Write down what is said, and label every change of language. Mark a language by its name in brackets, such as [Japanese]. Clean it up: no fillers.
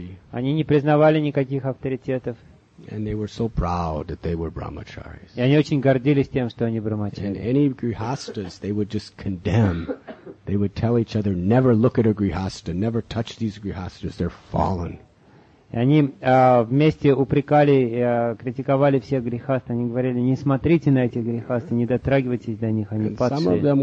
[Russian] Они не признавали никаких авторитетов. [English] And they were so proud that they were brahmacharis. [Russian] И они очень гордились тем, что они брахмачари. [English] And any grihasthas, they would just condemn. They would tell each other, never look at a grihastha, never touch these grihasthas, they're fallen. [Russian] И они вместе упрекали, критиковали всех грехаст. Они говорили, не смотрите на этих грехаст, не дотрагивайтесь до них, они падшие.